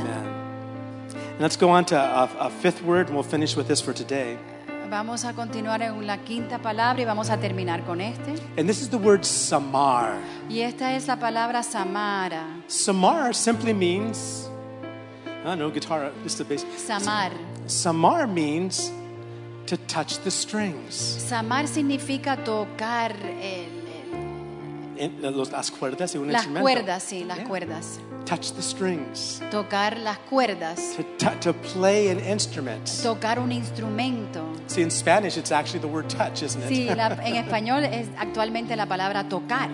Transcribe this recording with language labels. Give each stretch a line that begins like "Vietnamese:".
English: And let's go on to a fifth word and we'll finish with this for today.
Spanish: Vamos a continuar en la quinta palabra y vamos a terminar con este.
English: And this is the word samar.
Spanish: Y esta es la palabra samara.
English: Samar simply means, oh no, guitar, just the bass. Samar. Samar means to touch the strings.
Spanish: Samar significa tocar el las cuerdas, un las cuerdas, sí, las cuerdas.
English: Touch the strings.
Spanish: Tocar las cuerdas.
English: To play an instrument.
Spanish: Tocar un instrumento.
English: See, in Spanish, it's actually the word touch, isn't it?
Spanish: Sí, en español es actualmente la palabra tocar.